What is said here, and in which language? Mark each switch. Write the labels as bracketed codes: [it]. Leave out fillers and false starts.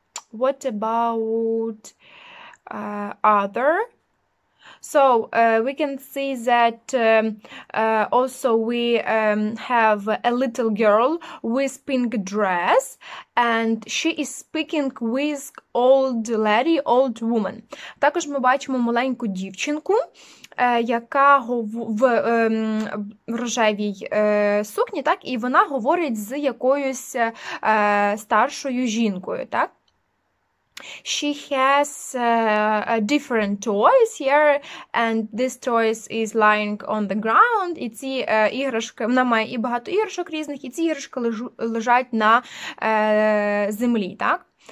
[en] What about other? So, we can see that also we have a little girl with pink dress, and she is speaking with old lady, old woman. [uk] Також ми бачимо маленьку дівчинку, яка в рожевій сукні, так, і вона говорить з якоюсь старшою жінкою, так? [en] She has different toys here, and this toys is lying on the ground. [uk] І ці іграшки, вона має і багато іграшок різних, і ці іграшки лежать на землі, так?